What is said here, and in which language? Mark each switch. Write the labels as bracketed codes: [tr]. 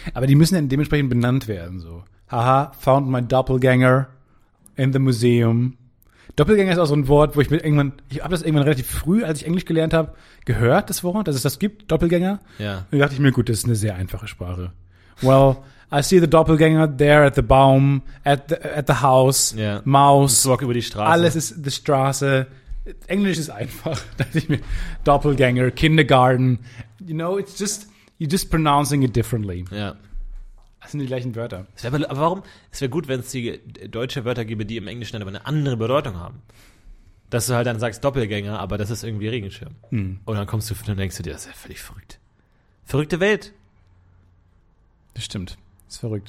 [de] Aber die müssen ja dementsprechend benannt werden, so. [en] Haha, found my Doppelgänger in the museum. [de] Doppelgänger ist auch so ein Wort, wo ich mir irgendwann, ich habe das irgendwann relativ früh, als ich Englisch gelernt habe, gehört, das Wort, dass es das gibt, Doppelgänger. Ja. Und da dachte ich mir, gut, das ist eine sehr einfache Sprache. [en] Well, I see the Doppelgänger there at the [de] Baum, [en] at the house, yeah. [de] Maus. Ich [en] walk [de] über die Straße. Alles ist die Straße. Englisch ist einfach. Doppelgänger, Kindergarten. [en] You know, it's just, you're just pronouncing it differently. [de] Ja. Das sind die gleichen Wörter. Es wäre gut, wenn es die deutsche Wörter gäbe, die im Englischen dann aber eine andere Bedeutung haben. Dass du halt dann sagst Doppelgänger, aber das ist irgendwie Regenschirm. Hm. Und dann kommst du und denkst du dir, das ist ja völlig verrückt. Verrückte Welt. Das stimmt. Das ist verrückt.